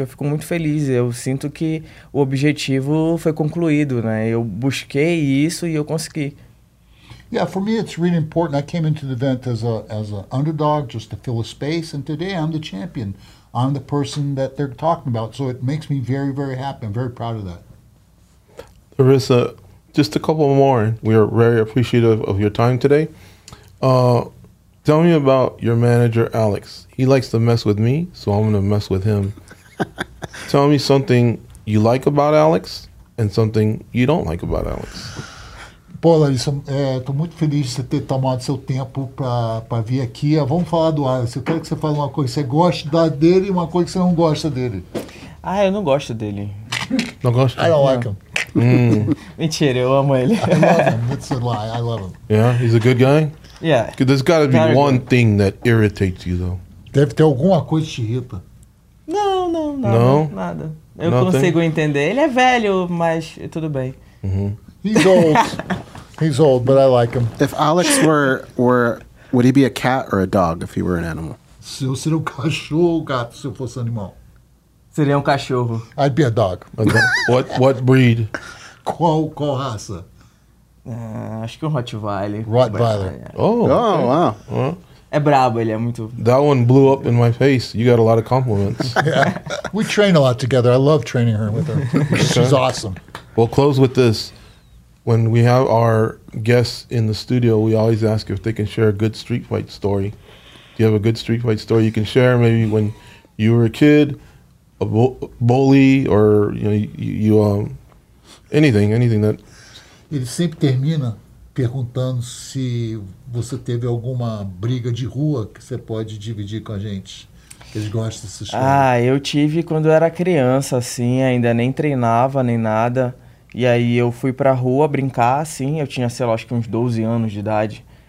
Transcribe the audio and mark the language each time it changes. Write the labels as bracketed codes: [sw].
[pt] Eu fico muito feliz, eu sinto que o objetivo foi concluído, né? Eu busquei isso e eu consegui. [en] Yeah, for me, it's really important. I came into the event as an underdog just to fill a space, and today I'm the champion. I'm the person that they're talking about, so it makes me very, very happy. I'm very proud of that. Larissa, just a couple more. We are very appreciative of your time today. Tell me about your manager, Alex. He likes to mess with me, so I'm going to mess with him. Tell me something you like about Alex and something you don't like about Alex. [pt] Pô, Larissa, estou muito feliz de você ter tomado seu tempo para vir aqui. Vamos falar do Alex. Eu quero que você fale uma coisa que você gosta dele e uma coisa que você não gosta dele. Ah, eu não gosto dele. Não gosto? [en] I don't like him. [pt] Mentira, eu amo ele. [en] I love him. It's a lie. I love him. Yeah, he's a good guy? Yeah. Because there's got to be one thing that irritates you, though. [pt] Deve ter alguma coisa que te irrita. Não, nada. Eu [en] Nothing? [pt] Consigo entender. Ele é velho, mas tudo bem. [en] He's old, but I like him. If Alex were, would he be a cat or a dog if he were an animal? [pt] Se eu seria cachorro ou gato se eu fosse animal? Seria cachorro. [en] I'd be a dog. What breed? [pt] Qual raça? Acho que Rottweiler. Rottweiler. [en] Oh, wow. Uh-huh. [pt] É brabo, ele é muito... [en] That one blew up in my face. You got a lot of compliments. Yeah. We train a lot together. I love training her with her. She's awesome. We'll close with this. When we have our guests in the studio, we always ask if they can share a good street fight story. Do you have a good street fight story you can share? Maybe when you were a kid, a bully, or anything that... [pt] Ele sempre termina perguntando se você teve alguma briga de rua que você pode dividir com a gente. Eles gostam dessa história. Ah, eu tive quando era criança, assim, ainda nem treinava nem nada. E aí eu fui pra rua brincar, assim, eu tinha, sei lá, acho que uns 12 anos de idade.